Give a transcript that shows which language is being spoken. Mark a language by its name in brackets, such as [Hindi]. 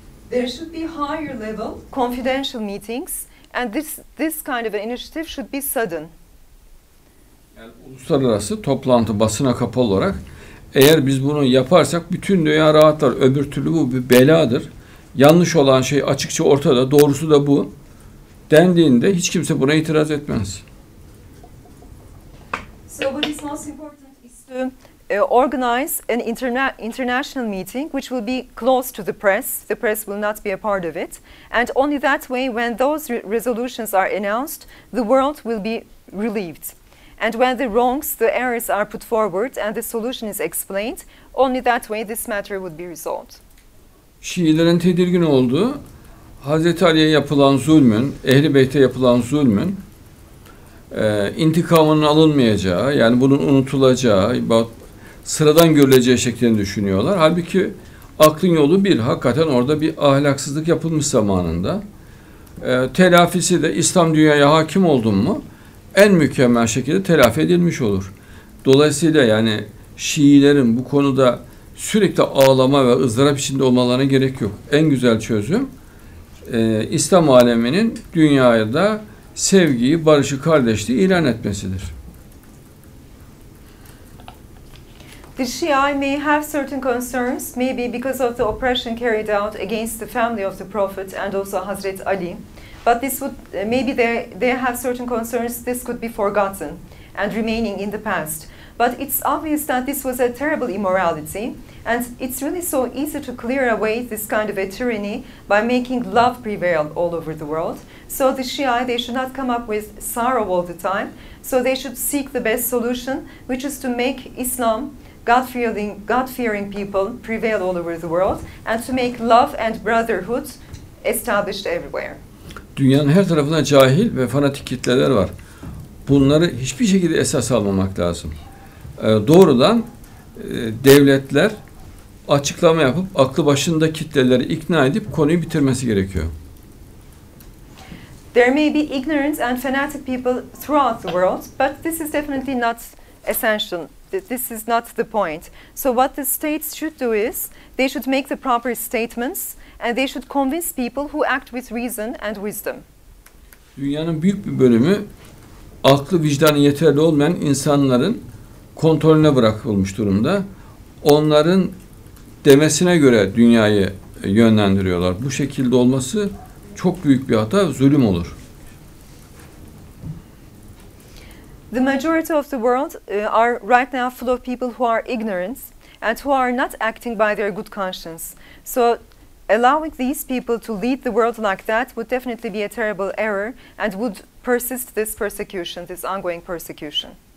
[English] There should be higher level confidential meetings and this kind of an initiative should be sudden. [Turkish] Yani uluslararası toplantı basına kapalı olarak eğer biz bunu yaparsak bütün dünya rahatlar. Öbür türlü bu bir beladır. Yanlış olan şey açıkça ortada. Doğrusu da bu. Dendiğinde hiç kimse buna itiraz etmez. [English] So what is most important is to organize an international meeting, which will be closed to the press. The press will not be a part of it. And only that way, when those resolutions are announced, the world will be relieved. And when the wrongs, the errors are put forward and the solution is explained, only that way this matter would be resolved. [Turkish] Şiilerin tedirgin olduğu, Hazreti Ali'ye yapılan zulmün, Ehl-i Beyt'e yapılan zulmün intikamının alınmayacağı, yani bunun unutulacağı, sıradan görüleceği şeklinde düşünüyorlar. Halbuki aklın yolu bir, hakikaten orada bir ahlaksızlık yapılmış zamanında. Telafisi de İslam dünyaya hakim oldun mu en mükemmel şekilde telafi edilmiş olur. Dolayısıyla yani Şiilerin bu konuda sürekli ağlama ve ızdırap içinde olmalarına gerek yok. En güzel çözüm İslam aleminin dünyaya da sevgiyi, barışı, kardeşliği ilan etmesidir. [English] The Shia may have certain concerns, maybe because of the oppression carried out against the family of the Prophet and also Hazret Ali. But this would maybe they have certain concerns. This could be forgotten and remaining in the past. But it's obvious that this was a terrible immorality, and it's really so easy to clear away this kind of a tyranny by making love prevail all over the world. So the Shia, they should not come up with sorrow all the time. So they should seek the best solution, which is to make Islam, God-fearing people, prevail all over the world, and to make love and brotherhood established everywhere. [Turkish] Dünyanın her tarafında cahil ve fanatik kitleler var. Bunları hiçbir şekilde esas almamak lazım. Doğrudan devletler açıklama yapıp aklı başında kitleleri ikna edip konuyu bitirmesi gerekiyor. [English] There may be ignorant and fanatic people throughout the world, but this is definitely not essential. This is not the point. So what the states should do is they should make the proper statements and they should convince people who act with reason and wisdom. [Turkish] Dünyanın büyük bir bölümü aklı vicdanı yeterli olmayan insanların kontrolüne bırakılmış durumda. Onların demesine göre dünyayı yönlendiriyorlar. Bu şekilde olması çok büyük bir hata, zulüm olur. [English] The majority of the world are right now full of people who are ignorant and who are not acting by their good conscience. So allowing these people to lead the world like that would definitely be a terrible error and would persist this persecution, this ongoing persecution.